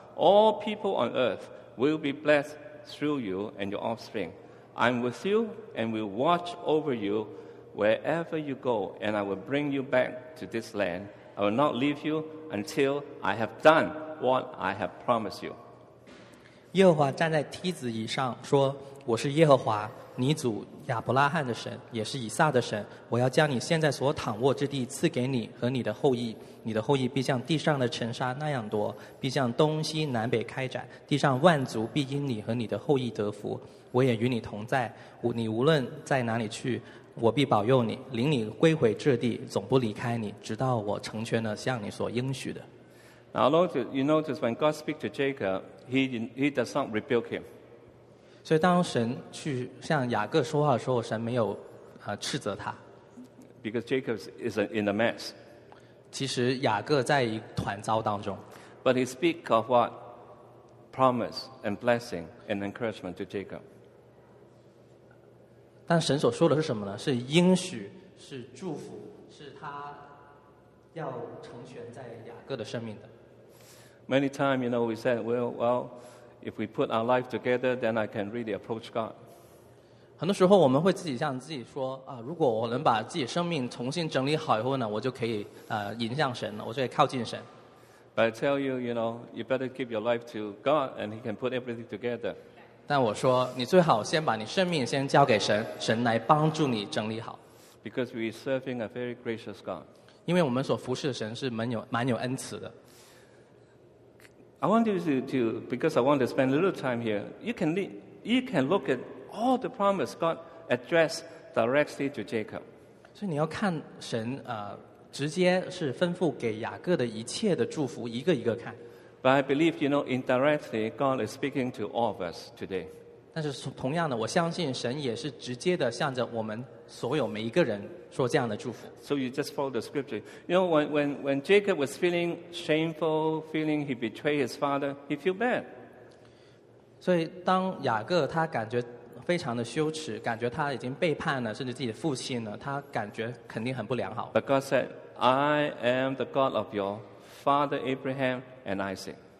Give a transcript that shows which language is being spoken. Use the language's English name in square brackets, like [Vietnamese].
[English] All people on earth will be blessed through you and your offspring. I'm with you and will watch over you wherever you go, and I will bring you back to this land. I will not leave you until I have done what I have promised you. [Chinese] 耶和华站在梯子以上说我是耶和华你祖亚伯拉罕的神也是以撒的神我要将你现在所躺卧之地赐给你和你的后裔你的后裔必像地上的尘沙那样多必向东西南北开展地上万族必因你和你的后裔得福我也与你同在你无论在哪里去我必保佑你领你归回这地总不离开你直到我成全了向你所应许的 [English] Now, you notice when God speaks to Jacob, he does not rebuke him. [Chinese] 所以当神去向雅各说话的时候，神没有斥责他。 [English] Because Jacob is in a mess. [Chinese] 其实雅各在一团糟当中。 [English] But he speaks of what? Promise and blessing and encouragement to Jacob. [Chinese] 但神所说的是什么呢？是应许，是祝福，是他要成全在雅各的生命的。 [English] Many times, you know, we said, well, if we put our life together, then I can really approach God. [Chinese] 很多时候我们会自己向自己说啊，如果我能把自己生命重新整理好以后呢，我就可以迎向神了，我就可以靠近神。 [English] But I tell you, you know, you better give your life to God, and He can put everything together. [Chinese] 但我说，你最好先把你生命先交给神，神来帮助你整理好。 [English] Because we serving a very gracious God. [Chinese] 因为我们所服侍的神是蛮有恩慈的。 [English] I want you to, because I want to spend a little time here, you can look at all the promise God addressed directly to Jacob. [Chinese] 所以你要看神直接是吩咐给雅各的一切的祝福一个一个看。 [English] But I believe, you know, indirectly, God is speaking to all of us today. [Chinese] 但是同样的，我相信神也是直接的向着我们所有每一个人说这样的祝福。 [English] So you just follow the scripture. You know, when Jacob was feeling shameful, feeling he betrayed his father, he feel bad. [Chinese] 所以当雅各他感觉非常的羞耻，感觉他已经背叛了甚至自己的父亲了，他感觉肯定很不良好。 [English] But God said, "I am the God of your father Abraham and Isaac."